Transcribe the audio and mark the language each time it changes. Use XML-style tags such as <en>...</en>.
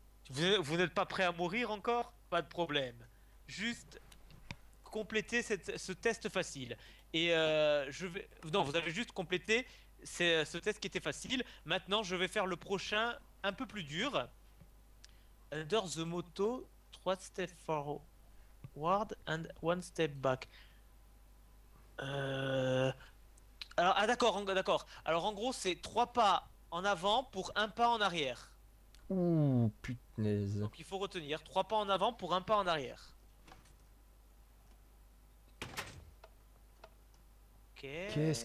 <fr>Vous n'êtes pas prêt à mourir encore? Pas de problème. Juste compléter ce test facile. Et je vais. Non, vous avez juste complété ce test qui était facile. Maintenant, je vais faire le prochain un peu plus dur.</fr> <en>Under the motto, 3 steps forward and 1 step back.</en> <fr>Alors, ah d'accord. Alors en gros, c'est 3 pas en avant pour 1 pas en arrière. Ouh, putain. Donc il faut retenir 3 pas en avant pour 1 pas en arrière. Qu'est-ce</fr>